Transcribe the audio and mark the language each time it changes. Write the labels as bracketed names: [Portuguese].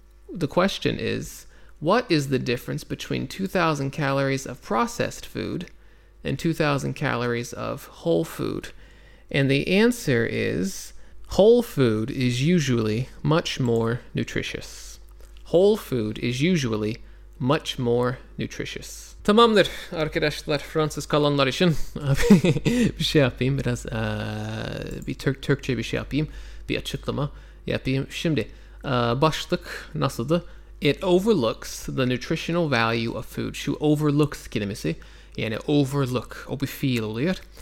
[English] The question is, what is the difference between 2,000 calories of processed food and 2,000 calories of whole food? And the answer is, whole food is usually much more nutritious. Whole food is usually much more nutritious. [Turkish] Tamamdır arkadaşlar, Fransız kalanlar için bir şey yapayım, biraz bir Türkçe bir şey yapayım, bir açıklama yapayım. Şimdi başlık nasıldı? [English] It overlooks the nutritional value of food. [Turkish] Şu overlooks kelimesi, yani overlook, o bir fiil oluyor.